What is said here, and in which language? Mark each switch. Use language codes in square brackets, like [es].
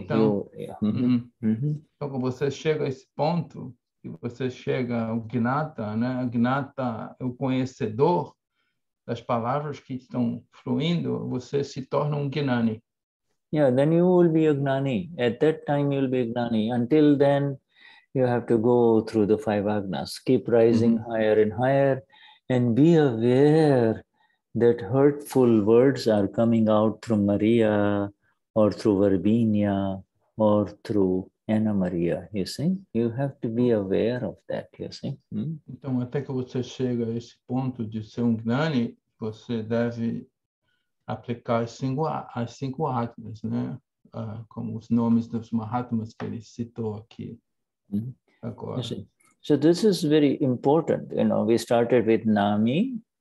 [pt] Então, então, você chega a esse ponto, e você chega ao gnata, né? Gnata, o conhecedor das palavras que estão fluindo, você se torna um gnani. [en] Yeah, then you will be a gnani. At that time, you will be a gnani. Until then, you have to go through the five agnas. Keep rising higher and higher and be aware that hurtful words are coming out through Maria or through Verbena or through Anna Maria, you see? You have to be aware of that, you see? [pt] Então, até que você chega a esse ponto de ser gnani, você deve aplicar as cinco atmas, né? Como os nomes dos Mahatmas que ele citou aqui agora. [en] So this is very important, you know, we started with Nami.